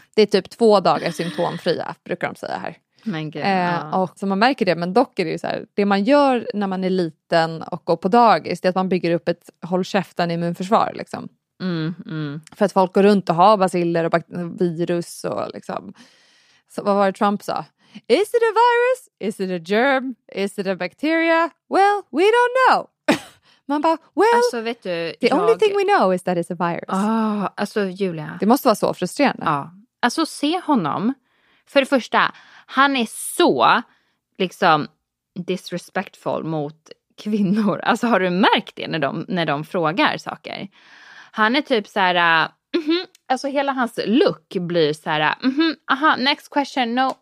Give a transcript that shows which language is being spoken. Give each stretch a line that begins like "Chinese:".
Swedish: Det är typ 2 dagar symptomfria, brukar de säga här. Men gud, Och så man märker det, men dock är det ju så här, det man gör när man är liten och går på dagis, det är att man bygger upp ett håll käften immunförsvar liksom. För att folk går runt och har basiller och virus och liksom, så vad var det Trump sa?
English: Is it a virus? Is it a germ? Is it a bacteria? Well, we don't know.
Swedish: Man bara, well, alltså, vet du,
English: the only thing we know is that it's a virus.
Swedish: Alltså Julia. Det måste vara så frustrerande. Alltså se honom. För det första, han är så liksom disrespectful mot kvinnor. Alltså har du märkt det när de frågar saker? Han är typ så här, alltså hela hans look blir så här, aha, next question, no.